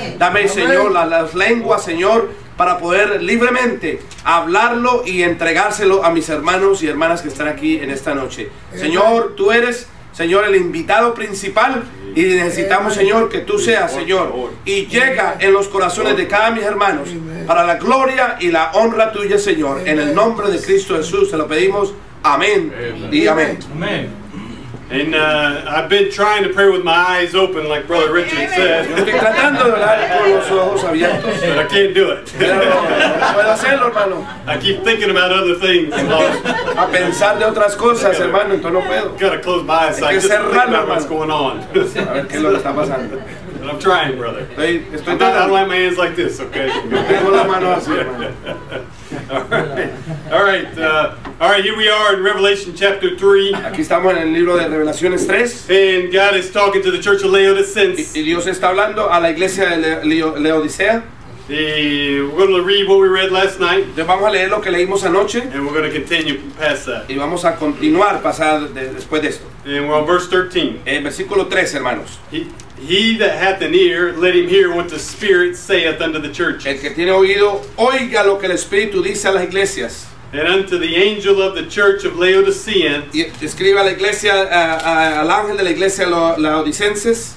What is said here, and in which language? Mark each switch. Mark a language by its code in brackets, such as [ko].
[es] Dame, Señor, las lenguas, Señor, para poder libremente hablarlo y entregárselo a mis hermanos y hermanas que están aquí en esta noche. Señor, tú eres, Señor, el invitado principal, y necesitamos, Señor, que tú seas, Señor, y llega en los corazones de cada mis hermanos para la gloria y la honra tuya, Señor. En el nombre de Cristo Jesús te lo pedimos. Amén. Amen. Amen. [en] And I've been trying to pray with my eyes open, like Brother Richard said. [es] Estoy tratando de orar con los ojos abiertos. [en] But I can't do it. [es] Puedo hacerlo, hermano. [en] I keep thinking about other things. [es] A pensar de otras cosas, hermano. Entonces no puedo. [en] Gotta close my eyes. [es] Hay que cerrarlo, hermano. [en] What's going on? [es] A ver qué es lo que está pasando. [en] But I'm trying, brother. [es] Estoy [en] I don't like my hands like this, okay? [es] Tengo la mano así, hermano. [en] All right. Here we are in Revelation chapter 3. [es] Aquí estamos en el libro de Revelaciones 3. [en] And God is talking to the church of Laodicea. [es] Y Dios está hablando a la iglesia de Laodicea. [en] We're going to read what we read last night. [es] Vamos a leer lo que leímos anoche. [en] And we're going to continue past that. [es] Y vamos a continuar pasar después de esto. [en] And we're on verse 13. [es] En versículo 13, hermanos. [en] He that hath an ear, let him hear what the Spirit saith unto the churches. [es] El que tiene oído, oiga lo que el Espíritu dice a las iglesias. [en] And unto the angel of the church of Laodicea. [es] Y escribe a la iglesia, al ángel de la iglesia laodicenses.